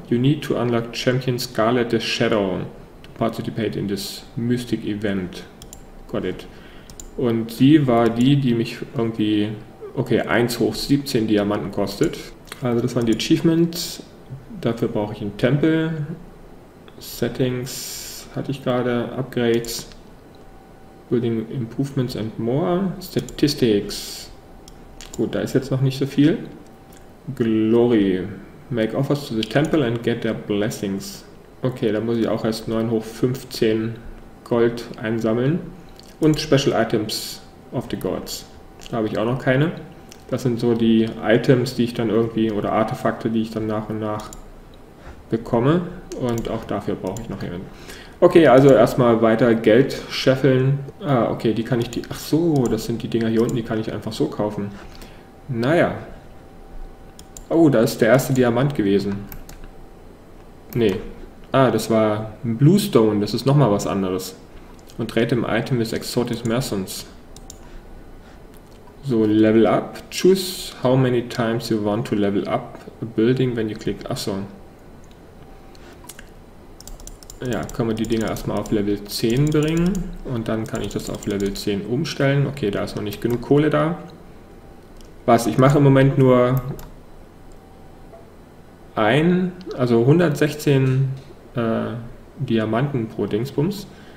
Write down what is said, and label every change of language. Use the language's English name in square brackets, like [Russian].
[English] You need to unlock Champion Scarlet the Shadow to participate in this Mystic Event. Got it. [German] Und sie war die, die mich irgendwie, okay, 1 hoch 17 Diamanten kostet. Also das waren die Achievements. Dafür brauche ich einen Tempel. Settings hatte ich gerade. Upgrades. [English] Building Improvements and more. [German] Statistics. Gut, da ist jetzt noch nicht so viel. Glory. [English] Make offers to the temple and get their blessings. [German] Okay, da muss ich auch erst 9 hoch 15 Gold einsammeln. Und Special Items of the Gods. Da habe ich auch noch keine. Das sind so die Items, die ich dann irgendwie, oder Artefakte, die ich dann nach und nach bekomme. Und auch dafür brauche ich noch jemanden. Okay, also erstmal weiter Geld scheffeln. Ah, okay, die kann ich die. Ach so, das sind die Dinger hier unten, die kann ich einfach so kaufen. Naja. Oh, da ist der erste Diamant gewesen. Nee. Ah, das war ein Bluestone, das ist nochmal was anderes. Und Random Item ist [English] Exotic Mersons. [German] So, Level Up. [English] Choose how many times you want to level up a building when you click. [German] Ach so. Ja, können wir die Dinger erstmal auf Level 10 bringen und dann kann ich das auf Level 10 umstellen. Okay, da ist noch nicht genug Kohle da. Was, ich mache im Moment nur 116 Diamanten pro Dingsbums.